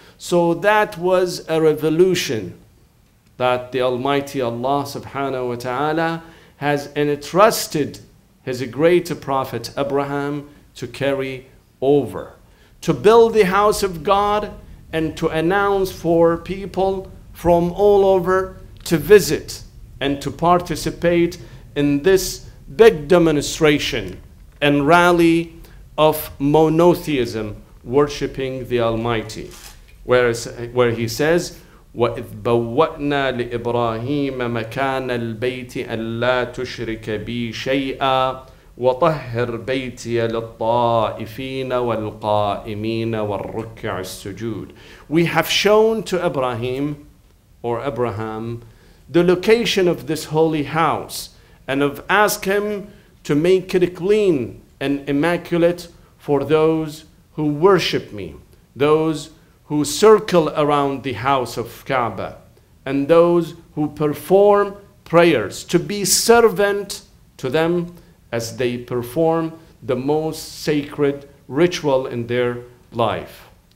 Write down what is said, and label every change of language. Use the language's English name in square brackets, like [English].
[English] So that was a revolution that the Almighty Allah subhanahu wa ta'ala has entrusted his great prophet Abraham to carry over, to build the house of God and to announce for people from all over to visit and to participate in this big demonstration and rally of monotheism, worshiping the Almighty. Where he says, [Arabic] وَإِذْ بَوَّأْنَا لِإِبْرَاهِيمَ مَكَانَ الْبَيْتِ أَلَّا تُشْرِكَ بِي شَيْئًا وَطَهِّرْ بَيْتِيَ لِلطَّائِفِينَ وَالْقَائِمِينَ وَالرُّكَّعِ السُّجُودِ. [English] We have shown to Abraham, or Abraham, the location of this holy house, and have asked him to make it clean and immaculate for those who worship me, those who circle around the house of Kaaba, and those who perform prayers, to be servant to them as they perform the most sacred ritual in their life.